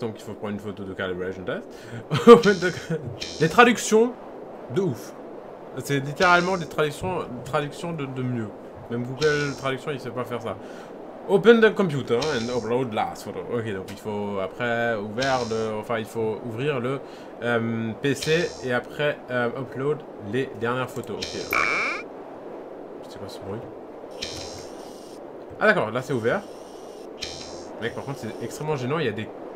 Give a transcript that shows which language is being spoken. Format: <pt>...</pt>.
<fr>Donc, il faut prendre une photo de calibration test. Les traductions, de ouf. C'est littéralement des traductions de mieux. Même Google Traduction, il sait pas faire ça.</fr> <en>Open the computer and upload last photo.</en> <fr>Ok, donc il faut après ouvrir le... Enfin, il faut ouvrir le PC et après upload les dernières photos. Ok. C'est quoi ce bruit? Ah d'accord, là c'est ouvert. Mec, par contre, c'est extrêmement gênant, il y a des...</fr>